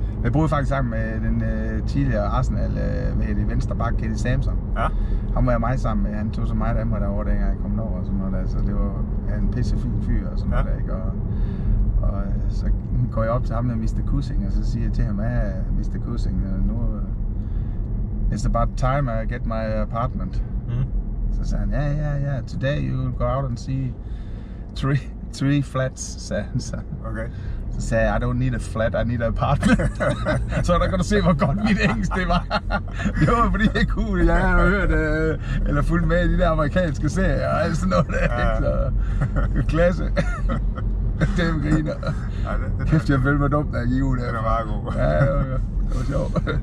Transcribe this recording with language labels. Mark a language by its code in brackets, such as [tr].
[da] Jeg boede faktisk sammen med den tidligere Arsenal, hvad hedder det, venstre bak, Kenny Samson. Ja. Ham var jeg meget sammen med. Han tog så meget af mig derovre, dengang jeg kom over og sådan noget der. Så det var en pisse fin fyr og sådan noget der, ikke? Og så går jeg op til ham med Mr. Cushing, og så siger jeg til ham, at Mr. [en] Cushing, nu it's about time I get my apartment. Mm-hmm. [da] Så sagde han, ja, [en] today you will go out and see three flats, [da] sagde han så. Okay. Så sagde jeg, [en] I don't need a flat, I need an apartment. [da] Så er der godt at se, hvor godt mit engelsk det var. Det var fordi jeg kunne, jeg havde hørt, eller fulgt med i de der amerikanske serier og alt sådan noget der. Så, klasse. Dem griner. Kæft, jeg følte mig dumt, da jeg gik ud af. Det var meget god. Ja, det var sjovt.